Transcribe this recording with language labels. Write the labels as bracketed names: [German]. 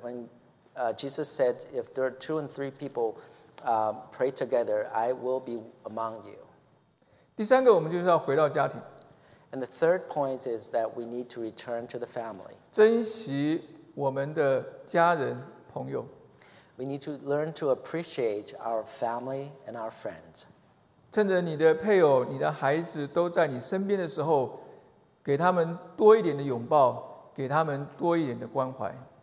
[English] When Jesus said, if there are two and three people pray together, I will be among you. [Chinese] 第三个，我们就是要回到家庭。 [English] And the third point is that we need to return to the family. [Chinese] 珍惜我们的家人朋友。 [English] We need to learn to appreciate our family and our friends. [Chinese] 趁着你的配偶、你的孩子都在你身边的时候，给他们多一点的拥抱，给他们多一点的关怀。